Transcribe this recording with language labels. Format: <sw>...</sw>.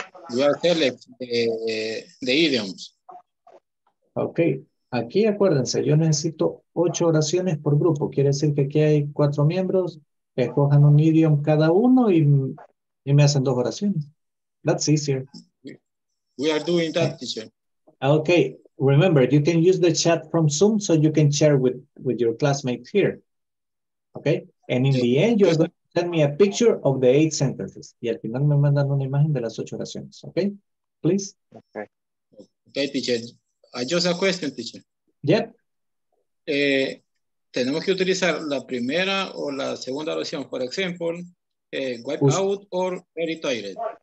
<en>You are selecting the idioms.</en> <es>Okay. Aquí acuérdense, yo necesito 8 oraciones por grupo. Quiere decir que aquí hay 4 miembros. Escojan un idiom cada uno y me hacen 2 oraciones.</es> <en>That's easier. We are doing that, teacher. Okay. Remember, you can use the chat from Zoom so you can share with your classmates here. Okay? And in the end, you're going to send me a picture of the 8 sentences.</en> <es>Y al final me mandan una imagen de las 8 oraciones.</es> <en>Okay? Please. Okay. Okay, teacher. I just a question, teacher. Yep.</en> <es>Tenemos que utilizar la primera o la segunda oración.</es> <en>For example, wipe out or very tired.</en>